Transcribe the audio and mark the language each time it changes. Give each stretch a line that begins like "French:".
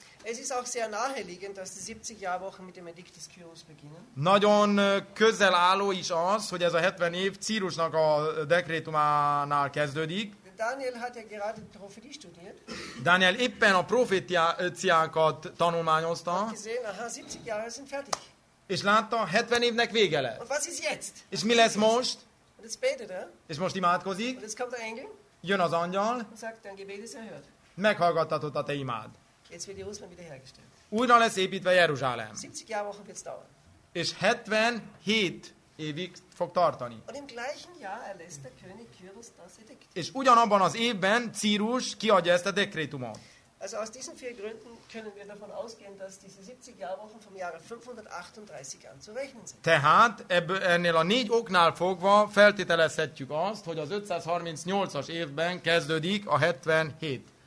German: Es ist auch sehr naheliegend, dass die 70 Jahrwochen mit dem Edikt des Kyros beginnen.
Hungarian: Nagyon közel álló is az, hogy ez a 70 év Círusnak a dekrétumánál kezdődik.
German: Daniel hat ja gerade Prophetie studiert.
Hungarian: Daniel éppen a proféciákat tanulmányozta.
German: Hat gesehen, aha, 70 Jahre sind fertig.
Hungarian: És látta, 70 évnek vége lett.
German: Und was ist jetzt?
Hungarian: És mi lesz most?
German: Und jetzt betet er.
Hungarian: És most imádkozik.
German: Und jetzt kommt der Engel.
Hungarian: Jön az angyal.
German: Und sagt, dein Gebet ist erhört.
Hungarian: Meghallgattatott a te imád.
German: Jetzt wird Jerusalem wieder hergestellt.
Hungarian: Újra lesz építve Jeruzsálem.
German: 70 Jahrwochen wird's dauern.
Hungarian: És 77 évig fog tartani.
German: Und im gleichen Jahr erlässt der König Kyros das Edikt.
Hungarian: És ugyanabban az évben Círus kiadja ezt a dekrétumot.
German: Also aus diesen vier Gründen können wir davon ausgehen, dass diese 70 Jahrwochen vom Jahre 538 an zu rechnen sind.
Hungarian: Tehát ennél a négy oknál fogva feltételezhetjük azt, hogy az 538-as évben kezdődik a 77.